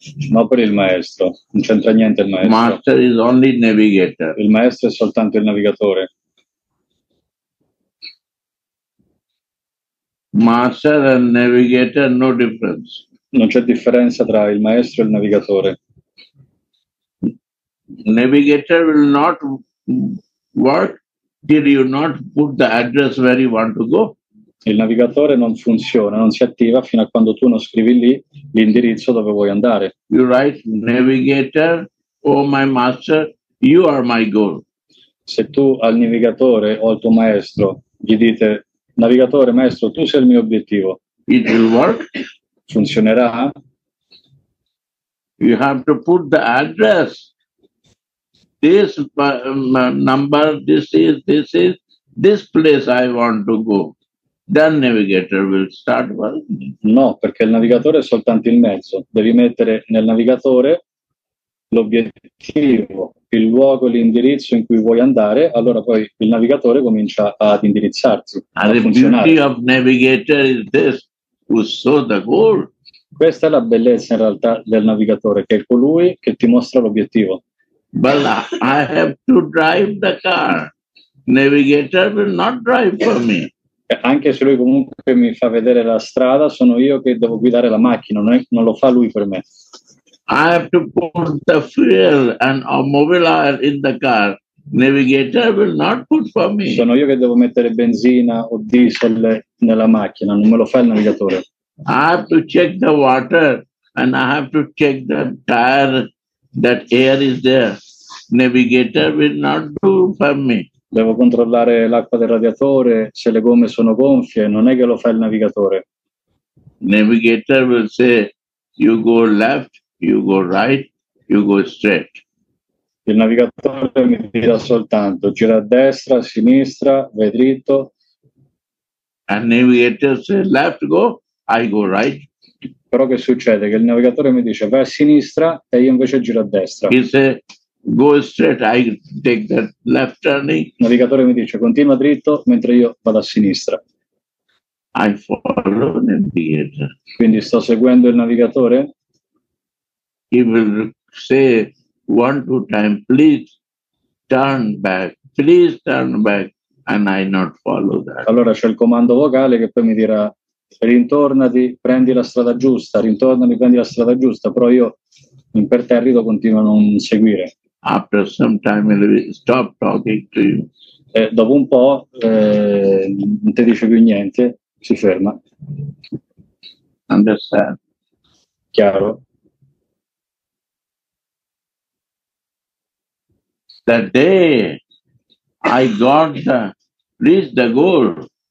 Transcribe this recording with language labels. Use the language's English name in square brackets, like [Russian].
[Italian] No, per il maestro non c'entra niente. Il maestro [English] master is only navigator. [Italian] Il maestro è soltanto il navigatore. [English] Master and navigator, no difference. [Italian] Non c'è differenza tra il maestro e il navigatore. [English] Navigator will not work till you not put the address where you want to go. [Italian] Il navigatore non funziona, non si attiva fino a quando tu non scrivi lì l'indirizzo dove vuoi andare. [English] You write navigator, oh my master, you are my goal. [Italian] Se tu al navigatore o al tuo maestro gli dite navigatore, maestro, tu sei il mio obiettivo. [English] It will work. [Italian] Funzionerà. [English] You have to put the address. This number, this place I want to go. Then navigator will start working. [Italian] No, perché il navigatore è soltanto il mezzo. Devi mettere nel navigatore l'obiettivo, il luogo, l'indirizzo in cui vuoi andare, allora poi il navigatore comincia ad indirizzarsi. [English] And [Italian] a funzionare. [English] The beauty of navigator is this, who saw the goal. [Italian] Questa è la bellezza in realtà del navigatore, che è colui che ti mostra l'obiettivo. [English] But I have to drive the car. Navigator will not drive for me. [Italian] Anche se lui comunque mi fa vedere la strada, sono io che devo guidare la macchina, non lo fa lui per me. [English] I have to put the fuel and a mobile in the car. Navigator will not put for me. [Italian] Sono io che devo mettere benzina o diesel nella macchina, non me lo fa il navigatore. [English] I have to check the water and I have to check the tire, that air is there. Navigator will not do for me. [Italian] Devo controllare l'acqua del radiatore, se le gomme sono gonfie, non è che lo fa il navigatore. [English] Navigator will say, you go left, you go right, you go straight. [Italian] Il navigatore mi dirà soltanto gira a destra, a sinistra, vai dritto. [English] And navigator say left go, I go right. [Italian] Però che succede? Che il navigatore mi dice vai a sinistra e io invece giro a destra. [English] He say go straight, I take that left turning. [Italian] Il navigatore mi dice continua dritto mentre io vado a sinistra. [English] I follow the navigator. [Italian] Quindi sto seguendo il navigatore? [English] He will say one, two times, please turn back, please turn back, and I not follow that. [Italian] Allora c'è il comando vocale che poi mi dirà rintornati, prendi la strada giusta, rintornami, prendi la strada giusta, però io imperterrito continuo a non seguire. [English] After some time he will stop talking to you. [Italian] Dopo un po' non ti dice più niente, si ferma. [English] Understand. [Italian] Chiaro? [English] That day I got reached the goal.